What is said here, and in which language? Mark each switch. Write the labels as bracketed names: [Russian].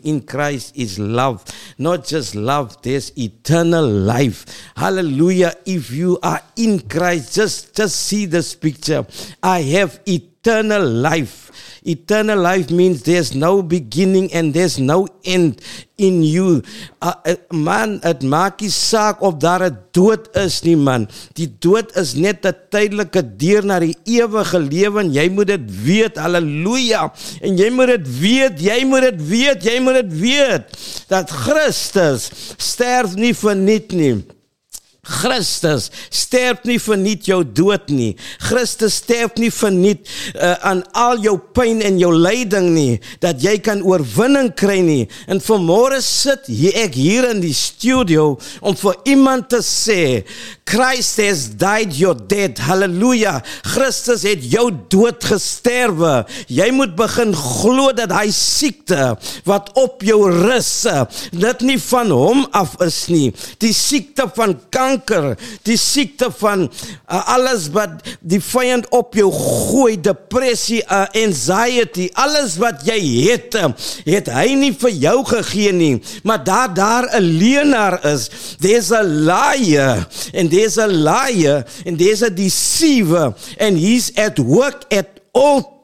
[English] In Christ is love, not just love, there's eternal life. Hallelujah, if you are in Christ, just see this picture. I have eternal life. Eternal life means there's no beginning and there's no end in you. [Afrikaans] Man, het maak nie saak of daar 'n dood is nie, man. Die dood is net 'n tydelike deur na die ewige lewe. Jy moet dit weet, halleluja. En jy moet dit weet, jy moet dit weet, jy moet dit weet, dat Christus sterf nie verniet nie. Christus sterf nie verniet jou dood nie. Christus sterf nie verniet aan al jou pyn en jou lyding nie, dat jy kan oorwinning kry nie. En vanmôre sit ek hier in die studio om vir iemand te sê, [English] Christ has died your dead. [Afrikaans] Halleluja. Christus het jou dood gesterwe. Jy moet begin glo dat hy siekte wat op jou rus, dit nie van hom af is nie. Die siekte van kanker, die siekte van alles wat die vyand op jou gooi, depressie, anxiety, alles wat jy het, het hy nie vir jou gegee nie. Maar daar 'n leenaar is, [English] there's a liar, and there's a liar, and there's a deceiver, and he's at work at all